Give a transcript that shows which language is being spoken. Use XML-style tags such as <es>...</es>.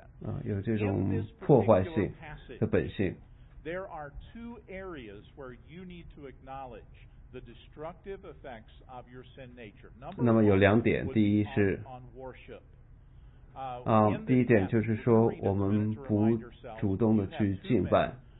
<zh>啊，有这种破坏性的本性。</zh> <en>There are two areas where you need to acknowledge the destructive effects of your sin nature.</en> <zh>那么有两点，第一是啊，第一点就是说我们不主动的去敬拜。</zh>